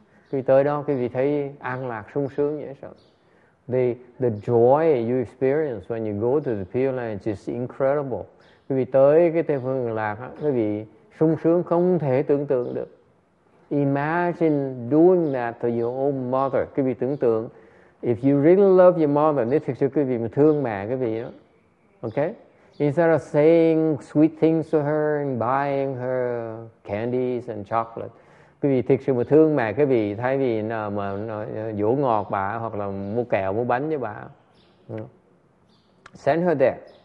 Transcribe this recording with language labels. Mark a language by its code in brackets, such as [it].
[vi] Khi tới đó cái vị thấy an lạc, sung sướng vậy sao? [en] The joy you experience when you go to the Pure Land is incredible. [vi] Quý vị tới cái Tây Phương Cực Lạc, quý vị sung sướng không thể tưởng tượng được. [en] Imagine doing that to your own mother. [vi] Quý vị tưởng tượng, [en] if you really love your mother, [vi] nếu thực sự quý vị mà thương mẹ quý vị đó, okay? [en] Instead of saying sweet things to her and buying her candies and chocolate, [vi] quý vị thực sự mà thương mẹ quý vị, thay vì mà dỗ ngọt bà hoặc là mua kẹo, mua bánh cho bà. [en] Send her there.